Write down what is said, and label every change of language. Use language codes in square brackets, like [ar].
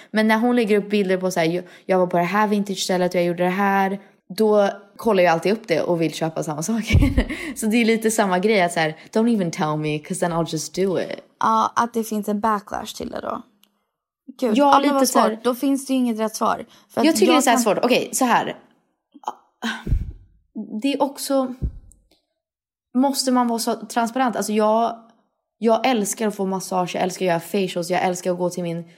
[sv] Men när hon lägger upp bilder på så här... Jag var på det här vintage-stället och jag gjorde det här. Då kollar jag alltid upp det och vill köpa samma saker. Så det är lite samma grej. Att så här, [en] don't even tell me, because then I'll just do it. [sv] Ja, att det finns en backlash till det då. Gud, ja, lite svårt. Då finns det ju inget rätt svar. För jag tycker det är svårt. Okej, så här. Det är också... Måste man vara så transparent? Alltså jag älskar att få massage. Jag älskar att göra facials. Jag älskar att gå till min...